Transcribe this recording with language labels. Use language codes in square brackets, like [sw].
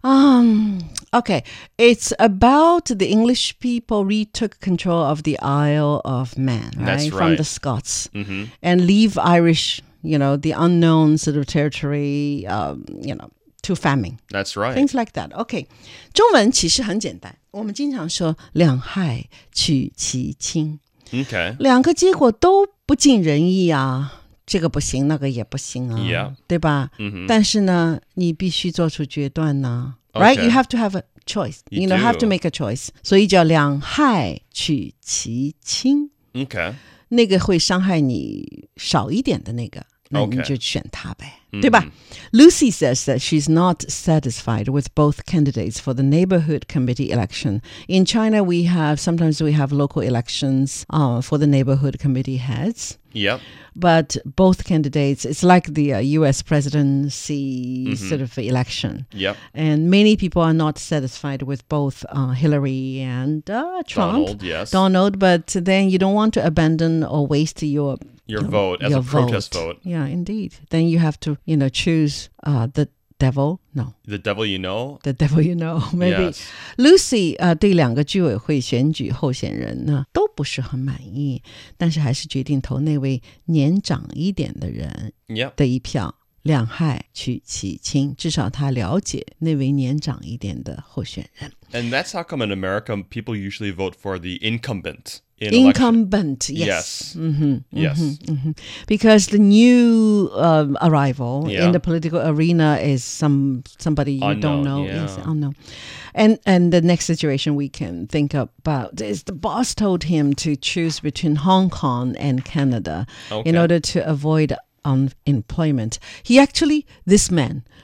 [en] Okay. It's about the English people retook control of the Isle of Man, right? That's right. From the Scots. And leave Irish, you know, the unknown sort of territory, you know, to famine. That's right. Things like that. Okay. [zh] 中文其实很简单。我们经常说两害取其轻。 [en] Okay. [zh] 两个结果都不尽人意啊。这个不行，那个也不行啊， [en] yeah. [zh] 对吧？Mm-hmm. 但是呢，你必须做出决断呢， [en] okay. right? You have to have a choice. You know, have to make a choice. [zh] 所以叫两害取其轻。 [en] Okay. [zh] 那个会伤害你少一点的那个，那你就选他呗， okay. 对吧？ [en] Lucy says that she's not satisfied with both candidates for the neighborhood committee election. In China, sometimes we have local elections for the neighborhood committee heads. Yep. But both candidates, it's like the U.S. presidency sort of election. Yep. And many people are not satisfied with both Hillary and Trump. Donald, but then you don't want to abandon or waste your vote as a protest vote. Yeah, indeed. Then you have to, you know, choose the devil. No. The devil you know? The devil you know, maybe. Yes. [zh] Lucy 对两个居委会选举候选人呢都不是很满意, 但是还是决定投那位年长一点的人的一票。 [en] Yep. [zh] 两害取其轻, 至少他了解那位年长一点的候选人。 [en] And that's how come in America, people usually vote for the incumbent in election. Incumbent, yes. Yes. Because the new arrival in the political arena is somebody you unknown, don't know. Yeah. Is unknown. And the next situation we can think about is the boss told him to choose between Hong Kong and Canada in order to avoid unemployment. He actually, this man,